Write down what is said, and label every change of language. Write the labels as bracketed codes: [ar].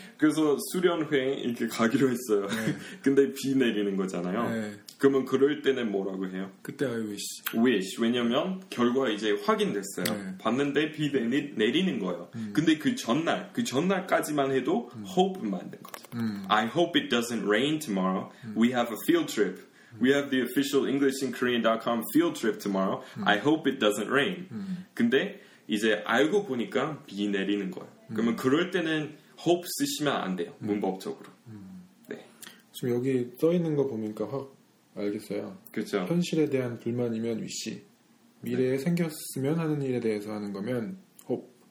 [ko] 그래서 수련회 이렇게 가기로 했어요. 네. 근데 비 내리는 거잖아요. 네. 그러면 그럴 때는 뭐라고 해요? 그때 [en] I wish. Wish. [ko] 왜냐면 결과 이제 확인됐어요. 네. 봤는데 비 내리는 거예요. 근데 그 전날, 그 전날까지만 해도 hope 만든 거죠. [en] I hope it doesn't rain tomorrow. We have a field trip. We have the official EnglishinKorean.com field trip tomorrow. I hope it doesn't rain. [ko] 근데 이제 알고 보니까 비 내리는 거예요. 그러면 그럴 때는 hope 쓰시면 안 돼요. 문법적으로. 네. 지금 여기 떠 있는 거 보니까 확 알겠어요. 그렇죠. 현실에 대한 불만이면 wish. 미래에 네. 생겼으면 하는 일에 대해서 하는 거면 hope.